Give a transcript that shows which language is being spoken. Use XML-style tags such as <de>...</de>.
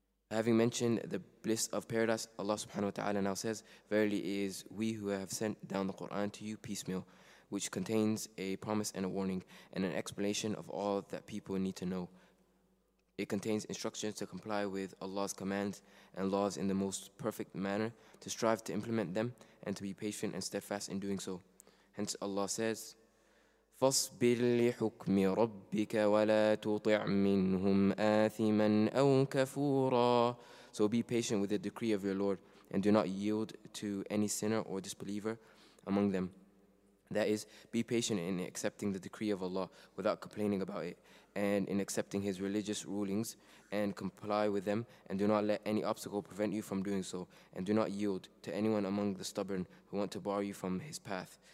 <en>Having mentioned the bliss of paradise, Allah subhanahu wa ta'ala now says, verily, it is we who have sent down the Qur'an to you piecemeal, which contains a promise and a warning and an explanation of all that people need to know. It contains instructions to comply with Allah's commands and laws in the most perfect manner, to strive to implement them, and to be patient and steadfast in doing so. Hence Allah says,</en> <ar>فَاصْبِرْ لِحُكْمِ رَبِّكَ وَلَا تُطِعْ مِنْهُمْ آثِمًا أَوْ كَفُورًا.</ar> <en>So be patient with the decree of your Lord, and do not yield to any sinner or disbeliever among them. That is, be patient in accepting the decree of Allah without complaining about it, and in accepting His religious rulings, and comply with them, and do not let any obstacle prevent you from doing so, and do not yield to anyone among the stubborn who want to bar you from His path.</en>